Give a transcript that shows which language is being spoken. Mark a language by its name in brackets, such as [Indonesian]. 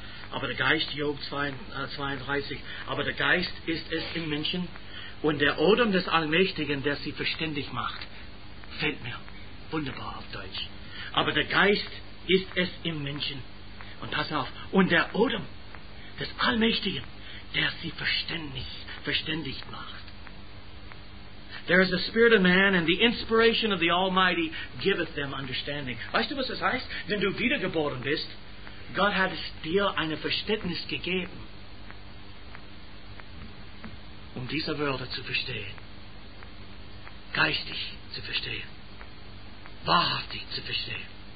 [German] Aber der Geist, Job 32, aber der Geist ist es im Menschen und der Odem des Allmächtigen, der sie verständig macht, fällt mir. Wunderbar auf Deutsch. Aber der Geist ist es im Menschen. Und pass auf. Und der Odem des Allmächtigen, der sie verständigt macht. [English] There is the spirit of man and the inspiration of the Almighty giveth them understanding. [German] Weißt du, was das heißt? Wenn du wiedergeboren bist, Gott hat dir eine Verständnis gegeben, um diese Wörter zu verstehen. Geistig zu verstehen. Wahrhaftig zu verstehen.